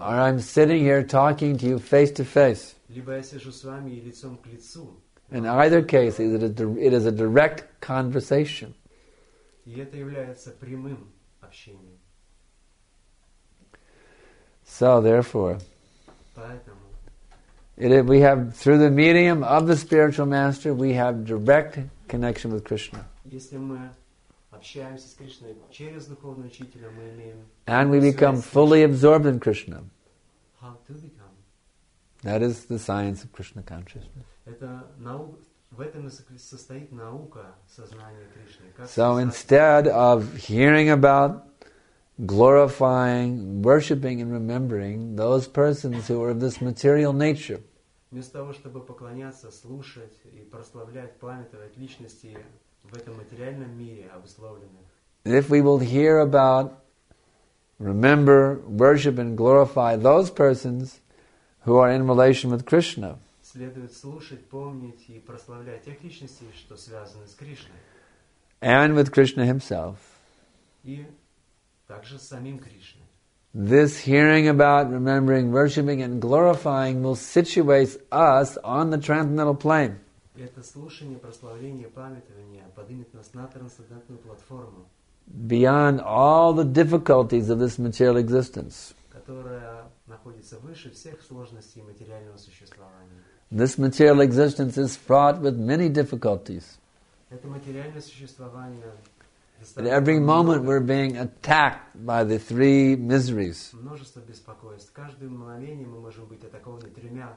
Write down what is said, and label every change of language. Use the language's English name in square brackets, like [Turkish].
[English] or I'm sitting here talking to you face to face, [Russian] либо я сижу с вами лицом к лицу. [English] In either case, it is a direct conversation. [Russian] И это является прямым общением. [English] So therefore. [Russian] Поэтому. [English] We have, through the medium of the spiritual master, we have direct connection with Krishna. [Russian] Если мы общаемся с Кришной через духовного учителя, мы имеем. [English] And we become fully absorbed in Krishna. How to become? That is the science of Krishna consciousness. [Russian] Это наука, в этом и состоит наука сознания Кришны. [English] So instead of hearing about, glorifying, worshipping and remembering those persons who are of this material nature. [Russian] Вместо того, чтобы поклоняться, слушать и прославлять, памятовать личности в этом материальном мире обусловленных. [English] If we will hear about, remember, worship and glorify those persons who are in relation with Krishna. [Russian] Следует слушать, помнить и прославлять тех личностей, что связаны с Кришной. [English] And with Krishna himself. [Russian] И также с самим Кришной. [English] This hearing about, remembering, worshipping and glorifying will situate us on the transcendental plane. [Russian] Это слушание, прославление, памятование поднимет нас на трансцендентную платформу. [English] Beyond all the difficulties of this material existence. [Russian] Которая находится выше всех сложностей материального существования. [English] This material existence is fraught with many difficulties. [Russian] Это материальное существование. [English] At every moment we're being attacked by the three miseries. [Russian] Множество беспокойств. Каждое мгновение мы можем быть атакованы тремя